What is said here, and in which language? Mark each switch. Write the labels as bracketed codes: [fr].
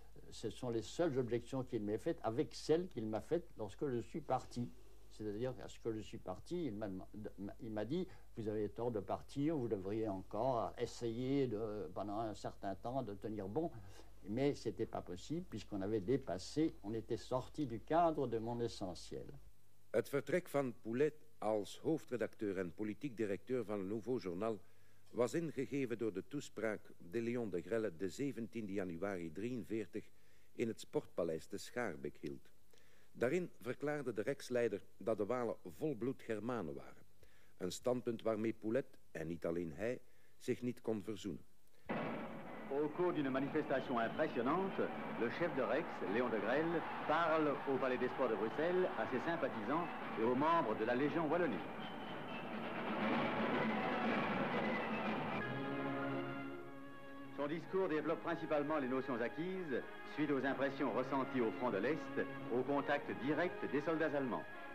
[fr] Ce sont les seules objections qu'il m'ait faites, avec celles qu'il m'a faites lorsque je suis parti. C'est-à-dire qu'à ce que je suis parti, il m'a dit, vous avez tort de partir, vous devriez encore essayer pendant un certain temps de tenir bon. Mais ce n'était pas possible, puisqu'on avait dépassé, on était sorti du cadre de mon essentiel. [nl] Het vertrek van Poulet als hoofdredacteur en politiek directeur van Le Nouveau Journal was ingegeven door de toespraak de Léon de Grelle de 17 januari 1943 in het Sportpaleis te Schaarbeek hield. Daarin verklaarde de Rijksleider dat de Walen volbloed Germanen waren. Een standpunt waarmee Poulet, en niet alleen hij, zich niet kon verzoenen. [fr] Au cours d'une manifestation impressionnante, le chef de Rex, Léon de Grelle, parle au Palais des Sports de Bruxelles, à ses sympathisants et aux membres de la Légion Wallonie. Son discours développe principalement les notions acquises, suite aux impressions ressenties au front de l'Est, au contact direct des soldats allemands.